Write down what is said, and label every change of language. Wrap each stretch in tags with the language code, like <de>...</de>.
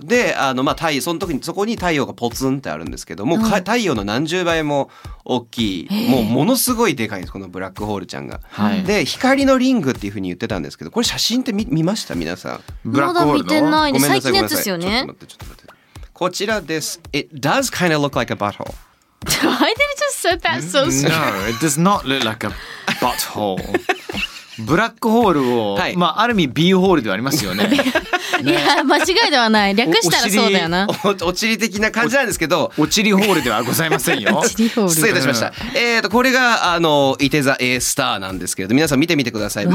<ja>で、まあ、太陽、その時にそこに太陽がポツンってあるんですけども、うん、太陽の何十倍も大きい、もうものすごいでかいんです、このブラックホールちゃんが、はい、で光のリングっていう風に言ってたんですけど、これ写真って見ました皆さん？ブラックホールの、まだ見てないで、最近のやつですよね。こちらです。</ja> <en>It does kind of look like a butthole. Why did you just say that so strange? No, it does not look like a butthole.</en> <ja>ブラックホールを、はい、まあ、ある意味 B ホールではありますよね。いや、間違いではない、略したらそうだよな。おちり的な感じなんですけど、おちりホールではございませんよ。失礼いたしました、うん、これがいて座 A スターなんですけど、皆さん見てみてください。</ja>